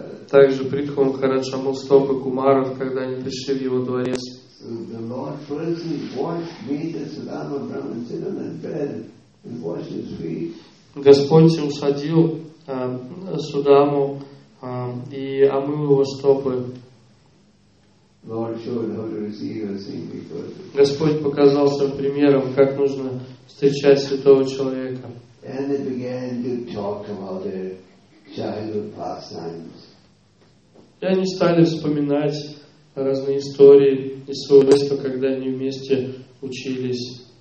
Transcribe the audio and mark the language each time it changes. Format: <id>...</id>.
<ru>Также Притху Махарадж омыл стопы кумаров, когда они пришли в его дворец.</ru> <en>The Lord personally washed me, the Sudama Brahman, sit on that bed and wash his feet.</en> <ru>Господь усадил Судаму и омыл его стопы.</ru> <en>Lord showed how to receive a saintly person.</en> <ru>Господь показал своим примером, как нужно встречать святого человека.</ru> <en>And they began to talk about their childhood pastimes.</en> <ru>И они стали вспоминать разные истории из своего детства, когда они вместе учились.</ru>